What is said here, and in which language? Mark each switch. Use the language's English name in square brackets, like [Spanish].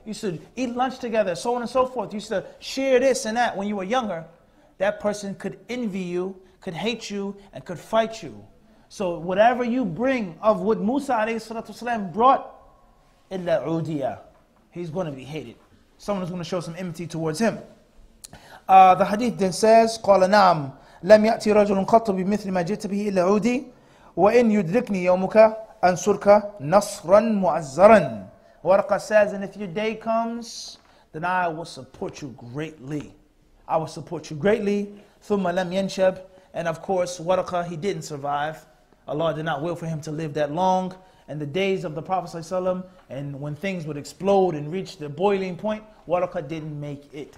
[English] You used to eat lunch together, so on and so forth. You used to share this and that when you were younger. That person could envy you, could hate you, and could fight you. So whatever you bring of what Musa alayhi salatu wasalam brought, [Arabic] illa udiya, [English] he's going to be hated. Someone is going to show some enmity towards him. The hadith then says, [Arabic] قَالَ نَعَمْ لَمْ يَأْتِي رَجُلٌ قَطُّ بِمِثْلِ مَا جِئْتَ بِهِ إِلَّا عُودِي وَإِنْ يُدْرِكْنِي يَوْمُكَ أنصرك نصرا مؤزرا. [English] Waraqah says, and if your day comes, then I will support you greatly. I will support you greatly. [Arabic] ثم لم ينشب. [English] And of course, Waraqah, he didn't survive. Allah did not will for him to live that long. And the days of the Prophet ﷺ, and when things would explode and reach the boiling point, Waraqah didn't make it.